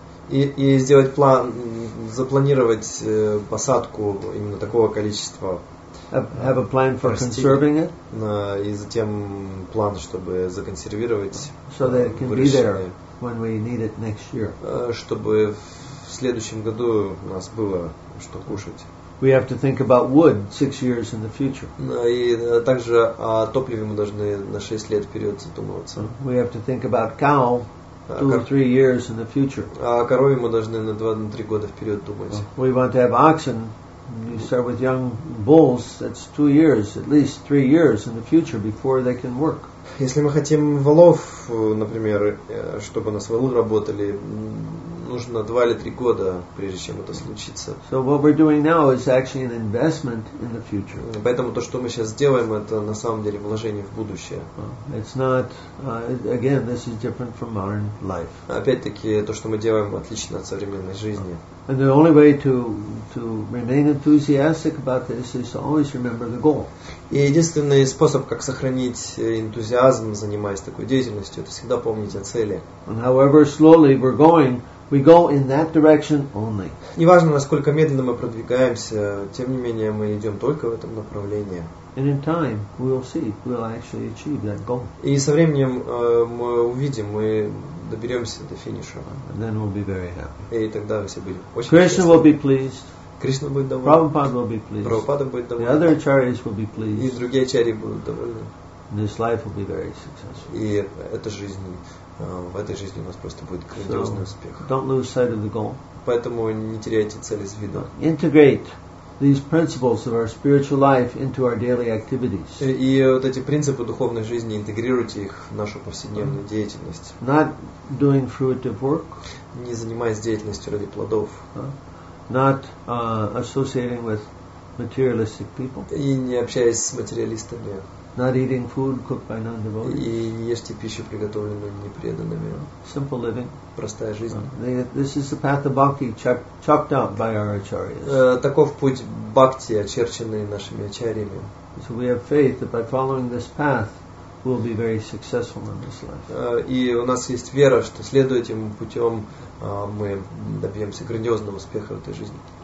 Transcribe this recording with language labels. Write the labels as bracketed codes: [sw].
[ru] И сделать план, запланировать посадку именно такого количества. [en] Have a plan for conserving it. [ru] И затем план, чтобы законсервировать. [en] So that it can be there when we need it next year. [ru] Чтобы в следующем году у нас было что кушать. [en] We have to think about wood 6 years in the future. [ru] И также о топливе мы должны на 6 лет вперед задумываться. [en] We have to think about cow 2 or 3 years in the future. [ru] О корове мы должны на 2-3 года вперед думать. [en] We want to have oxen. You start with young bulls, that's 2 years, at least 3 years in the future before they can work. [ru] Если мы хотим волов, например, чтобы на свалу работали, нужно 2 или 3 года, прежде чем это случится. [en] So what we're doing now is actually an investment in the future. [ru] Поэтому то, что мы сейчас делаем, это на самом деле вложение в будущее. [en] It's not, again, this is different from modern life. [ru] Опять-таки, то, что мы делаем, отлично от современной жизни. [en] And the only way to remain enthusiastic about this is to always remember the goal. [ru] И единственный способ, как сохранить энтузиазм, занимаясь такой деятельностью, это всегда помнить о цели. [en] And however slowly we're going, we go in that direction only. [ru] Неважно, насколько медленно мы продвигаемся, тем не менее мы идем только в этом направлении. [en] And in time, we'll see, we'll actually achieve that goal. [ru] И со временем мы увидим, мы доберемся до финиша. [en] And then we'll be very happy. [ru] И тогда все будем очень счастливы. [en] Krishna will be pleased. [ru] Кришна будет доволен. [en] Prabhupada will be pleased. [ru] Прабхупада будет доволен. [en] The other acharyas will be pleased. [ru] И другие ачарьи будут довольны. [en] This life will be very successful. [ru] И эта жизнь, в этой жизни у нас просто будет грандиозный успех. [en] Don't lose sight of the goal. [ru] Поэтому не теряйте цели из виду. [en] Integrate these principles of our spiritual life into our daily activities. [ru] И вот эти принципы духовной жизни интегрируйте их в нашу повседневную деятельность. [en] Not doing fruitive work. [ru] Не занимаясь деятельностью ради плодов. [en] Not associating with materialistic people. [ru] И не общаясь с материалистами. [en] Not eating food cooked by non-devotees. [ru] И не ешьте пищу, приготовленную непреданными. [en] Simple living. [ru] Простая жизнь. [en] This is the path of bhakti chopped out by our acharyas. [ru] Таков путь бхакти, очерченный нашими ачарьями. [en] So we have faith that by following this path, we'll be very successful in this life. [ru] И у нас есть вера, что следуя этим путем, мы добьемся грандиозного успеха в этой жизни.